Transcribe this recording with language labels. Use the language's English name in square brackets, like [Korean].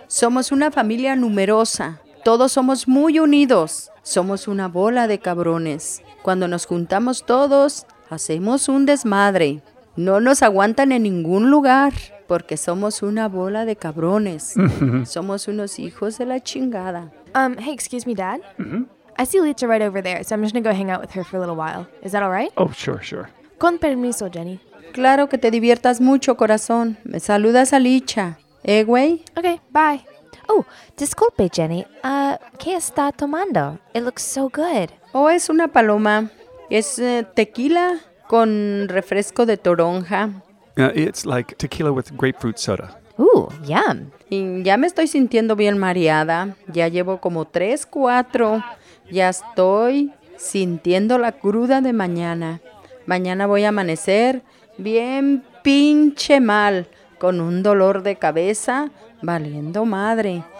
[Spanish] Somos una familia numerosa. Todos somos muy unidos. Somos una bola de cabrones. Cuando nos juntamos todos, hacemos un desmadre. No nos aguantan en ningún lugar, porque somos una bola de cabrones. Somos unos hijos de la chingada. [English] Hey, excuse me, Dad. I see Licha right over there, so I'm just gonna go hang out with her for a little while. Is that all right? Oh, sure, sure. [Spanish] Con permiso, Jenny. Claro, que te diviertas mucho, corazón. Me saludas a Licha. ¿Eh, güey? [English] Okay, bye. Oh, [Spanish] disculpe, [English] Jenny. [Spanish] ¿Qué está tomando? [English] It looks so good. [Spanish] Oh, es una paloma. Es tequila con refresco de toronja. [English] It's like tequila with grapefruit soda. Ooh, yum. [Spanish] Y ya me estoy sintiendo bien mareada. Ya llevo como 3-4. Ya estoy sintiendo la cruda de mañana. Mañana voy a amanecer bien pinche mal, con un dolor de cabeza valiendo madre.